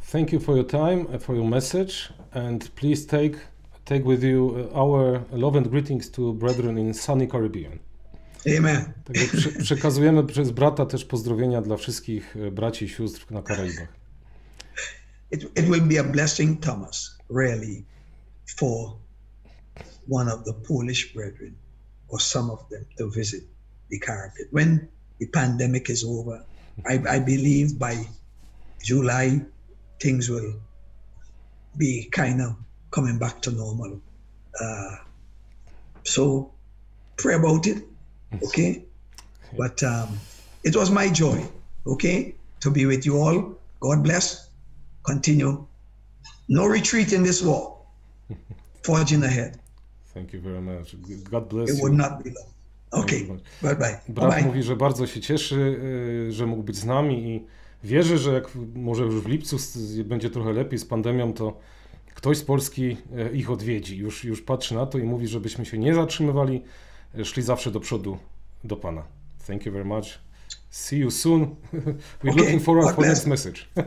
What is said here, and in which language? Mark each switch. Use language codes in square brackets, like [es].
[en] Thank you for your time, for your message, and please take with you our love and greetings to brethren in sunny Caribbean. Amen. [pl] Tak, przekazujemy przez brata też pozdrowienia dla wszystkich braci i sióstr na Karaibach. [en] It will be a blessing, Thomas, really, for one of the Polish brethren or some of them to visit the Caribbean. When the pandemic is over, I believe by July things will be kind of coming back to normal. So pray about it, okay? But it was my joy, okay, to be with you all. God bless. Continue. No retreat in this war. Forging ahead. Thank you very much. God bless it you. It would not be long. Okay. Bye bye. [pl] Brat [en] bye-bye. [pl] Mówi, że bardzo się cieszy, że mógł być z nami i wierzę, że jak może już w lipcu będzie trochę lepiej z pandemią, to ktoś z Polski ich odwiedzi. Już patrzy na to i mówi, żebyśmy się nie zatrzymywali, szli zawsze do przodu, do Pana. [en] Thank you very much. See you soon. We're okay. Looking forward for next message.